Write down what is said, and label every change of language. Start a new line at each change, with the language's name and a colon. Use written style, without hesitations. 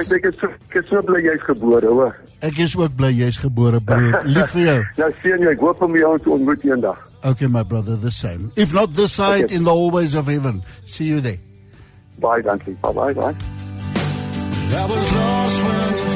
Afrikaans: Ek is so blij jy is gebore, hoor. Ek is ook blij jy is gebore, broer. Lief vir jou. Nou, sien jy, ek hoop om jou te ontmoet een dag.
English: Okay, my brother, the same. If not this side, okay. In the hallways of heaven. See you there. Bye,
Afrikaans: dankie.
English: Bye. That was lost when